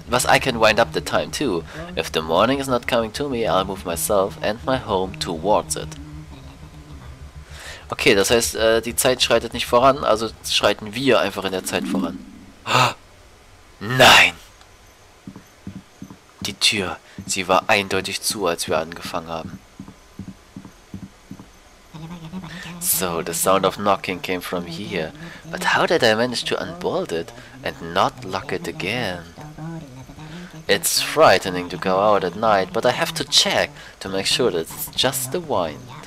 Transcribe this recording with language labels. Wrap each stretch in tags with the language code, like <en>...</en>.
<en>Was, I can wind up the time too. If the morning is not coming to me, I'll move myself and my home towards it.</en> <de>Okay, das heißt, die Zeit schreitet nicht voran, also schreiten wir einfach in der Zeit voran. Nein! Die Tür, sie war eindeutig zu, als wir angefangen haben.</de> <en>So, the sound of knocking came from here. But how did I manage to unbolt it and not lock it again? It's frightening to go out at night, but I have to check to make sure that it's just the wind.</en>